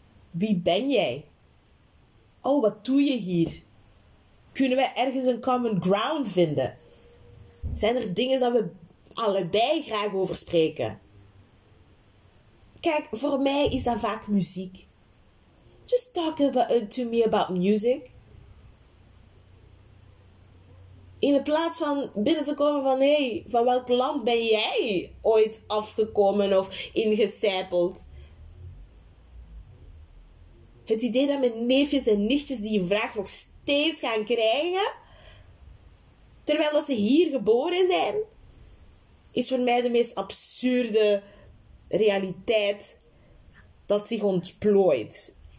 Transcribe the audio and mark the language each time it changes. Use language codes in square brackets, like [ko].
[nl] Wie ben jij? Oh, wat doe je hier? Kunnen wij ergens een common ground vinden? Zijn er dingen dat we allebei graag over spreken? Kijk, voor mij is dat vaak muziek. [en] Just talk to me about music. [nl] In plaats van binnen te komen van, hé, hey, van welk land ben jij ooit afgekomen of ingecijpeld? Het idee dat mijn neefjes en nichtjes die je vraagt nog steeds gaan krijgen, terwijl dat ze hier geboren zijn, is voor mij de meest absurde realiteit dat zich ontplooit.